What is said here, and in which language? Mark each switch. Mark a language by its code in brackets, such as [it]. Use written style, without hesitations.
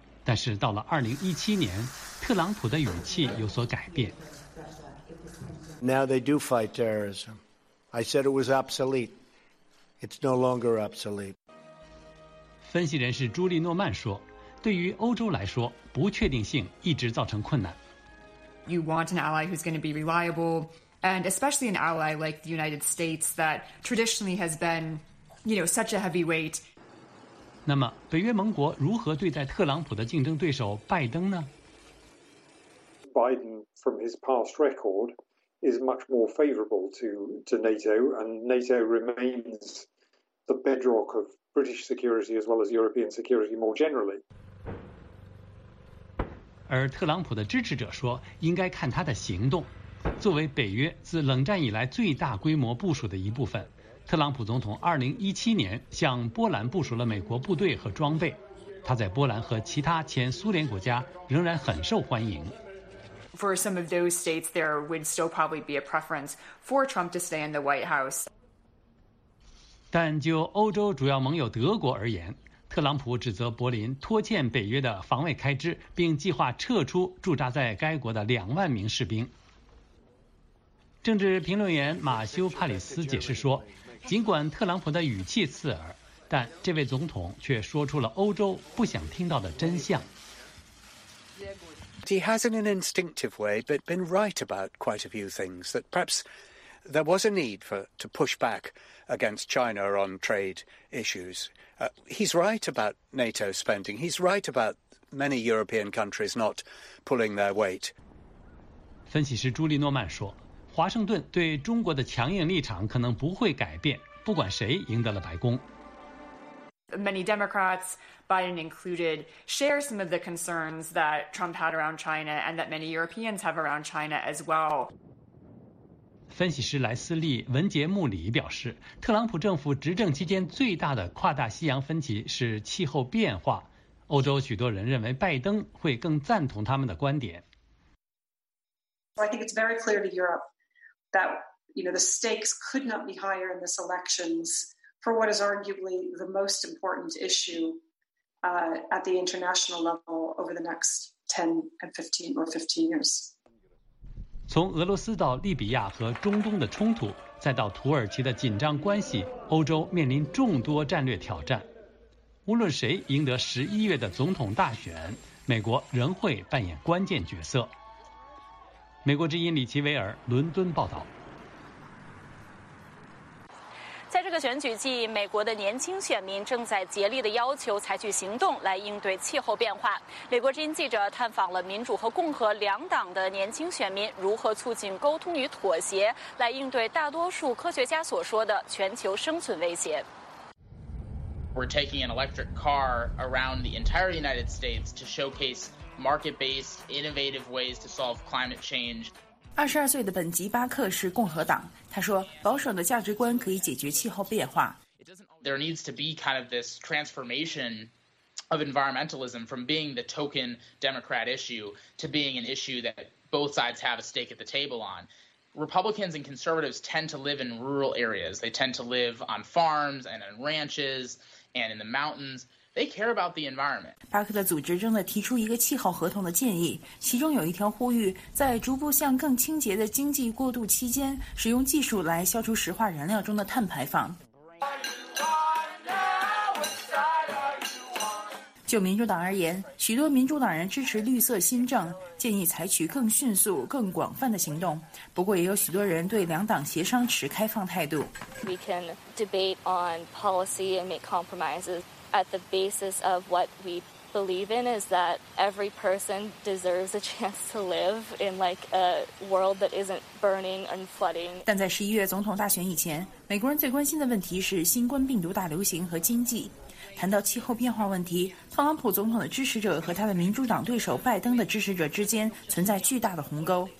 [zh] 但是到了2017年，特朗普的语气有所改变。 [en] Now they do fight terrorism. I said it was obsolete. It's no longer obsolete. [zh] 分析人士朱莉诺曼说，对于欧洲来说，不确定性一直造成困难。 [en] You want an ally who's going to be reliable. And especially an ally like the United States that traditionally has been, you know, such a heavyweight. [zh] 那么北约盟国如何对待特朗普的竞争对手拜登呢？ [en] Biden from his past record is much more favorable to NATO, and NATO remains the bedrock of British security as well as European security more generally. [zh] 而特朗普的支持者说，应该看他的行动。作为北约自冷战以来最大规模部署的一部分，特朗普总统2017年向波兰部署了美国部队和装备，他在波兰和其他前苏联国家仍然很受欢迎。 [en] For some of those states, there would still probably be a preference for Trump to stay in the White House. [zh] 但就欧洲主要盟友德国而言，特朗普指责柏林拖欠北约的防卫开支，并计划撤出驻扎在该国的20,000名士兵。政治评论员马修·帕里斯解释说，尽管特朗普的语气刺耳，但这位总统却说出了欧洲不想听到的真相。 [en] He has in an instinctive way been right about quite a few things, that perhaps there was a need to push back against China on trade issues. He's right about NATO spending. He's right about many European countries not pulling their weight. [zh] 分析师朱莉诺曼说，华盛顿对中国的强硬立场可能不会改变，不管谁赢得了白宫。 [en] Many Democrats, Biden included, share some of the concerns that Trump had around China and that many Europeans have around China as well. [zh] 分析师莱斯利·文杰穆里表示，特朗普政府执政期间最大的跨大西洋分歧是气候变化。欧洲许多人认为拜登会更赞同他们的观点。 [en] I think it's very clear to Europe that, you know, the stakes could not be higher in this elections for what is arguably the most important issue at the international level over the next 10 or 15 years. [zh] 从俄罗斯到利比亚和中东的冲突，再到土耳其的紧张关系，欧洲面临众多战略挑战。无论谁赢得11月的总统大选，美国仍会扮演关键角色。美国之音李奇维尔伦敦报道。在这个选举季，美国的年轻选民正在竭力的要求采取行动来应对气候变化。美国之音记者探访了民主和共和两党的年轻选民，如何促进沟通与妥协，来应对大多数科学家所说的全球生存威胁。 [en] We're taking an electric car around the entire United States to showcase market-based, innovative ways to solve climate change. [zh] 22岁的本吉巴克是共和党，他说保守的价值观可以解决气候变化。 [en] There needs to be kind of this transformation of environmentalism from being the token Democrat issue to being an issue that both sides have a stake at the table on. Republicans and conservatives tend to live in rural areas. They tend to live on farms and on ranches and in the mountains. They care about the environment. [zh] 巴克的组织正在提出一个气候合同的建议，其中有一条呼吁在逐步向更清洁的经济过渡期间，使用技术来消除石化燃料中的碳排放。就民主党而言，许多民主党人支持绿色新政，建议采取更迅速、更广泛的行动。不过，也有许多人对两党协商持开放态度。 [en] We can debate on policy and make compromises. At the basis of what we believe in is that every person deserves a chance to live in like a world that isn't burning and flooding. [zh] 但在11月总统大选以前，美国人最关心的问题是新冠病毒大流行和经济。谈到气候变化问题，特朗普总统的支持者和他的民主党对手拜登的支持者之间存在巨大的鸿沟。